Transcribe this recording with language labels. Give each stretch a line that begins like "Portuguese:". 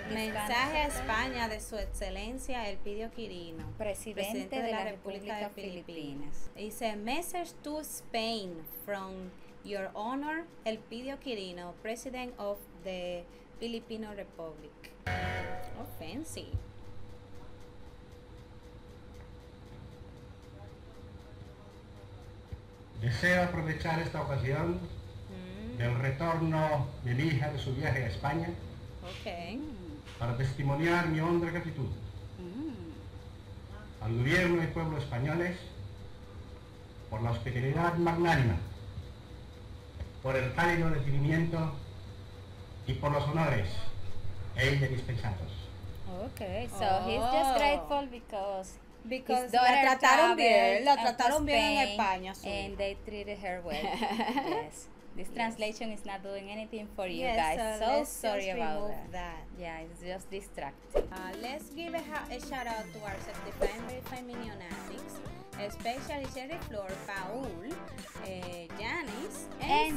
Spanish: Mensaje a España de su excelencia Elpidio Quirino, presidente de la República de Filipinas.
English: It's a message to Spain from Your Honor, Elpidio Quirino, President of the Filipino Republic. Oh, fancy.
Spanish: Deseo aprovechar esta ocasión del retorno de mi hija de su viaje a España para testimoniar mi honda gratitud al gobierno y pueblo españoles por la hospitalidad magnánima, por el cálido recibimiento y por los honores ella dispensados.
English: Okay, so he's just grateful because
Spanish: la trataron bien, la trataron bien en España,
English: and they treated her well. Yes, this translation is not doing anything for you guys. So sorry about that. Yeah, it's just distracting. Let's give a shout out to our certified and verified Minionatics. Especially Sherry Flor, Paul, Janice, and